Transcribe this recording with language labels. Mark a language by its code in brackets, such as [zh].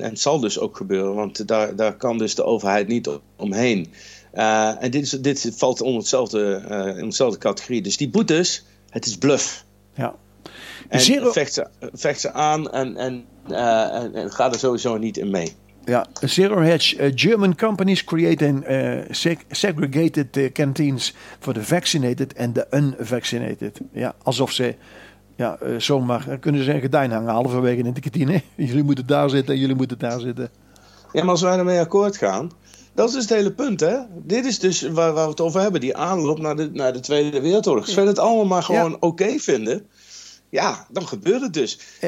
[nl] En zal dus ook gebeuren, want daar kan dus de overheid niet omheen. En dit valt onder hetzelfde categorie. Dus die boetes, het is bluff. Ja. En vecht ze aan en ga er sowieso niet in mee. Ja, Zero Hedge. [en] German companies creating segregated canteens for the vaccinated and the unvaccinated. [nl] Ja, alsof ze zomaar kunnen ze een gordijn hangen halverwege in de kantine. Jullie moeten daar zitten en jullie moeten daar zitten. Ja, maar als wij ermee akkoord gaan, dat is dus het hele punt, hè? Dit is dus waar we het over hebben, die aanloop naar de Tweede Wereldoorlog. Als we het allemaal maar gewoon oké vinden, ja, dan gebeurt het dus.